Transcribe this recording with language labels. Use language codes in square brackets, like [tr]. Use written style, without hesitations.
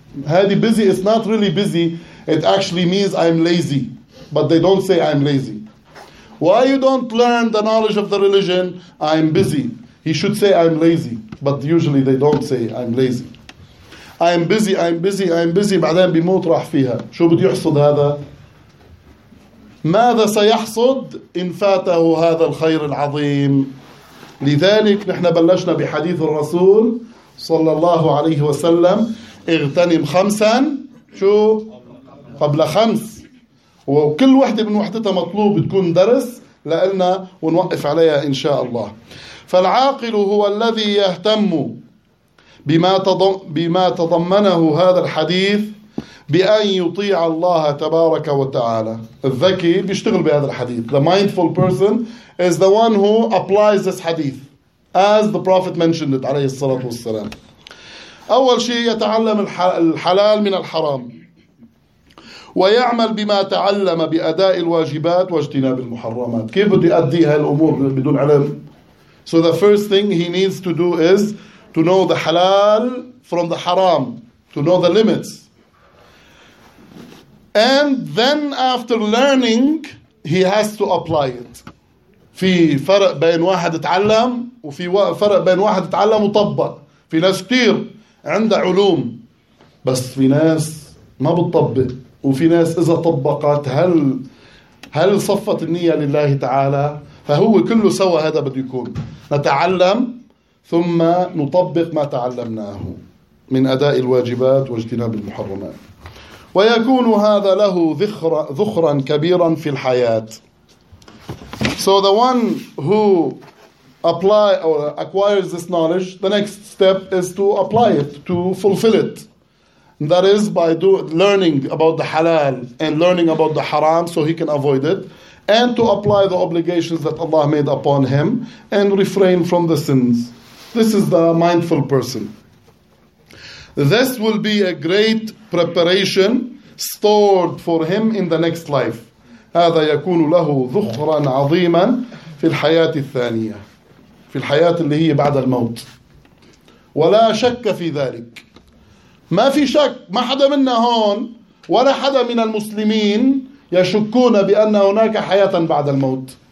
[en] هذه busy, it's not really busy. It actually means I'm lazy. But they don't say I'm lazy. Why you don't learn the knowledge of the religion? I'm busy. He should say I'm lazy. But usually they don't say I'm lazy. I'm busy, I'm busy, I'm busy. [ar] بعدين بيموت راح فيها. شو بده يحصد هذا؟ ماذا سيحصد إن فاته هذا الخير العظيم؟ لذلك نحن بلشنا بحديث الرسول صلى الله عليه وسلم اغتنم خمسا شو؟ قبل خمس وكل واحدة من وحدتها مطلوب تكون درس لألنا ونوقف عليها إن شاء الله. فالعاقل هو الذي يهتم بما تضمنه هذا الحديث بأن يطيع الله تبارك وتعالى. الذكي بيشتغل بهذا الحديث. [en] The mindful person is the one who applies this hadith as the Prophet mentioned it [ar] عليه الصلاة والسلام. أول شيء يتعلم الحلال من الحرام ويعمل بما تعلم بأداء الواجبات واجتناب المحرمات. كيف بدي أدي هالأمور بدون علم؟ [en] So the first thing he needs to do is to know the halal from the haram, to know the limits. And then after learning, he has to apply it. [ar] في فرق بين واحد تعلم وفي فرق بين واحد تعلم وطبق. في ناس كتير عنده علوم بس في ناس ما بتطبق وفي ناس إذا طبقت هل صفت النية لله تعالى؟ فهو كله سوى هذا بده يكون. نتعلم ثم نطبق ما تعلمناه من أداء الواجبات واجتناب المحرمات. ويكون هذا له ذخرا كبيرا في الحياة. [en] So the one who apply or acquires this knowledge, the next step is to apply it, to fulfill it. And that is by learning about the halal and learning about the haram so he can avoid it. And to apply the obligations that Allah made upon him and refrain from the sins. This is the mindful person. This will be a great preparation stored for him in the next life. [ar] هذا يكون له ذخرا عظيما في الحياة الثانية في الحياة اللي هي بعد الموت. ولا شك في ذلك. ما في شك. ما حدا منا هون ولا حدا من المسلمين يشكون بأن هناك حياة بعد الموت.